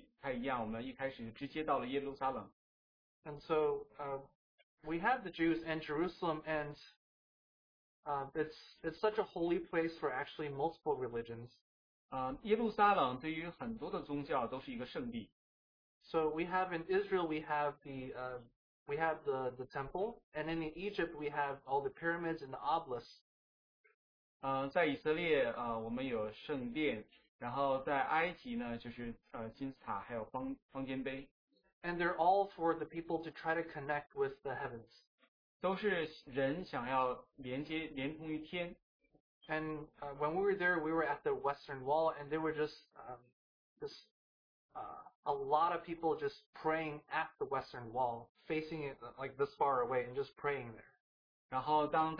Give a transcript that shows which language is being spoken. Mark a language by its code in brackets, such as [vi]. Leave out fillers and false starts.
[zh] 到以色列的时候就不太一样，我们一开始直接到了耶路撒冷。 [en] And so we have the Jews in Jerusalem, and it's such a holy place for actually multiple religions. [zh] 耶路撒冷对于很多的宗教都是一个圣地。 [en] So we have in Israel, we have the temple, and in Egypt, we have all the pyramids and the obelisks. [zh] 在以色列，我们有圣殿，然后在埃及呢，就是金字塔，还有方尖碑。 [en] And they're all for the people to try to connect with the heavens. [zh] 都是人想要连接连通于天。 [en] And when we were there, we were at the Western Wall, and there were just a lot of people just praying at the Western Wall, facing it like this far away, and just praying there.